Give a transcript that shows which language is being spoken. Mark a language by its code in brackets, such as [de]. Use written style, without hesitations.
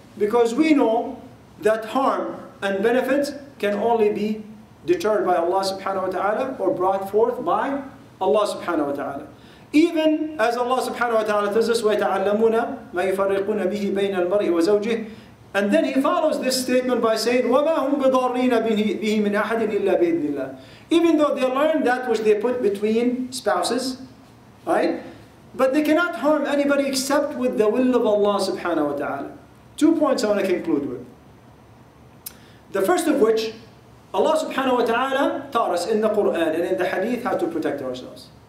[en] Because we know that harm and benefits can only be deterred by Allah subhanahu wa ta'ala, or brought forth by Allah subhanahu wa ta'ala. Even as Allah subhanahu wa ta'ala tells us, [ar] وَيَتَعَلَّمُونَ مَا يُفَرِّقُونَ بِهِ بَيْنَ الْمَرْءِ وَزَوْجِهِ. [en] And then he follows this statement by saying, [ar] وَمَا هُمْ بِضَارِّينَ بِهِ مِنْ أَحَدٍ إِلَّا بِإِذْنِ اللَّهِ. [en] Even though they learn that which they put between spouses, right? But they cannot harm anybody except with the will of Allah subhanahu wa ta'ala. 2 points I want to conclude with. The first of which, Allah subhanahu wa ta'ala taught us in the Quran and in the hadith how to protect ourselves.